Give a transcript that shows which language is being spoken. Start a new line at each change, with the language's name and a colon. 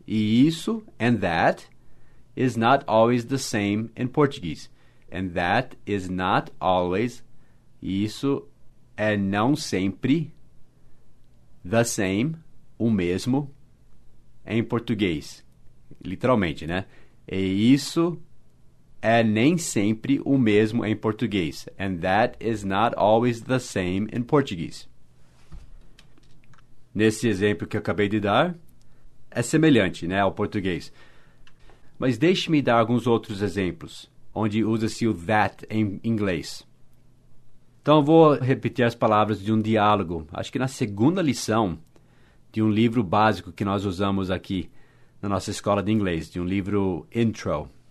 Portuguese: E isso,
English: and that, is not always the same in Portuguese. And that is not always,
Portuguese: isso é não sempre,
English: the same,
Portuguese: o mesmo, em português, literalmente, né? E isso é nem sempre o mesmo em português.
English: And that is not always the same in Portuguese.
Portuguese: Nesse exemplo que eu acabei de dar, é semelhante, né, ao português. Mas deixe-me dar alguns outros exemplos onde usa-se o that em inglês. Então, eu vou repetir as palavras de um diálogo. Acho que na segunda lição de um livro básico que nós usamos aqui na nossa escola de inglês, de um livro intro.